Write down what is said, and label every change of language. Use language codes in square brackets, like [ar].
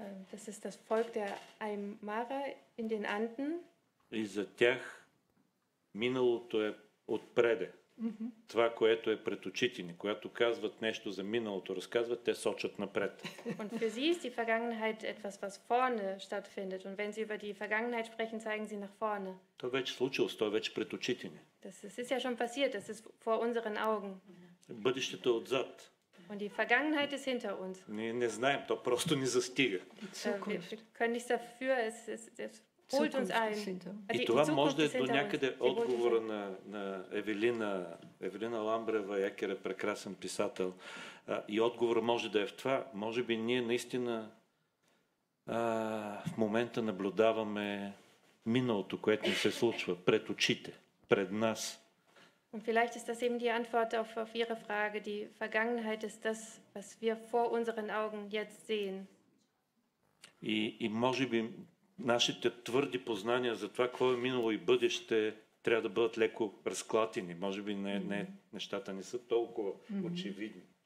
[de] Das ist das Volk der Aymara in den Anden. [bg] И за тях миналото е отпреде. Това, което е пред очите ни, когато казват нещо за миналото, разказват, те сочат напред. [de] Und für sie ist die Vergangenheit etwas, was vorne stattfindet. Und wenn sie über die Vergangenheit sprechen, zeigen sie nach vorne. [bg] То е вече случилось, то е вече пред очите ни. [de] Das ist ja schon passiert, das ist vor unseren Augen. [bg] Бъдещето е отзад. [de] Und die Vergangenheit ist hinter uns. [bg] Не знаем, то просто ни застига. [de] Wir können nichts dafür, es holt uns ein. [bg] И това може да е до някъде отговора на Евелина Ламбрева, Екер е прекрасен писател. И отговора може да е в това. Може би ние наистина в момента наблюдаваме миналото, което ни се случва пред очите, пред нас. [de] Und vielleicht ist das eben die Antwort auf Ihre Frage. Die Vergangenheit ist das, was wir vor unseren Augen jetzt sehen. [bg] И може би нашите твърди познания за това, какво е минало и бъдеще, трябва да бъдат леко разклатени. Може би не, нещата не са толкова очевидни.